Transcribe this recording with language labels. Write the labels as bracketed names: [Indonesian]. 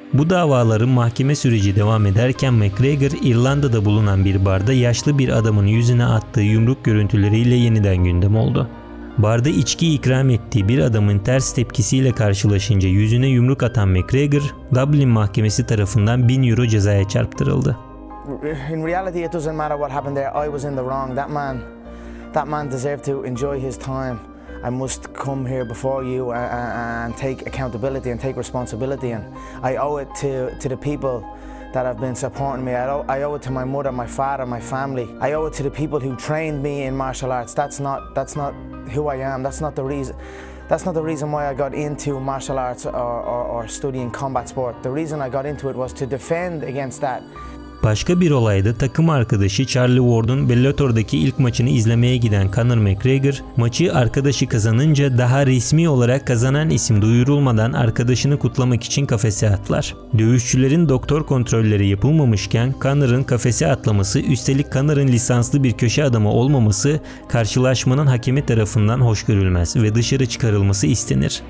[Turkish] Bu davaların mahkeme süreci devam ederken McGregor, İrlanda'da bulunan bir barda yaşlı bir adamın yüzüne attığı yumruk görüntüleriyle yeniden gündem oldu. Barda içki ikram ettiği bir adamın ters tepkisiyle karşılaşınca yüzüne yumruk atan McGregor, Dublin mahkemesi tarafından 1000 euro cezaya çarptırıldı. [English] In reality it doesn't matter what happened there. I was in the wrong. That man deserved to enjoy his time. I must come here before you and take accountability and take responsibility, and I owe it to the people that have been supporting me. I owe it to my mother, my father, my family. I owe it to the people who trained me in martial arts. That's not who I am. That's not the reason why I got into martial arts or studying combat sport. The reason I got into it was to defend against that. [Turkish] Başka bir olayda takım arkadaşı Charlie Ward'un Bellator'daki ilk maçını izlemeye giden Conor McGregor, maçı arkadaşı kazanınca daha resmi olarak kazanan isim duyurulmadan arkadaşını kutlamak için kafese atlar. Dövüşçülerin doktor kontrolleri yapılmamışken Conor'ın kafese atlaması, üstelik Conor'ın lisanslı bir köşe adamı olmaması, karşılaşmanın hakemi tarafından hoş görülmez ve dışarı çıkarılması istenir.